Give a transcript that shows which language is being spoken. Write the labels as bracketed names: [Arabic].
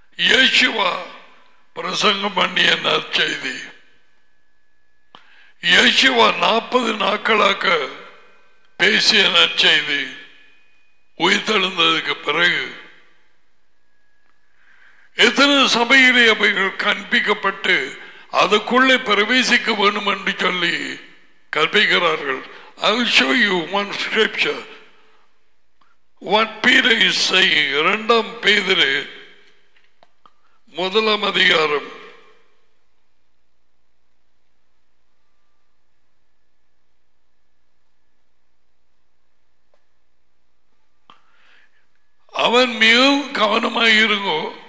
[Tamil] யேசுவா பிரசங்கம் பண்ணிய நற்செய்தி, யேசுவா 40 நாட்களாக பேசிய நற்செய்தி, உயிர்த்தெழுந்ததுக்கு பிறகு எத்தனை சபையிலே அவைகள் கற்பிக்கப்பட்டு அதுக்குள்ளே பிரவேசிக்க வேண்டும் என்று சொல்லி கற்பிக்கிறார்கள். [English] I'll show you one scripture. What Peter is saying, [Tamil] இரண்டாம் பேதுரு முதலாம் அதிகாரம் அவன் மிகவும் கவனமாக இருங்கோ,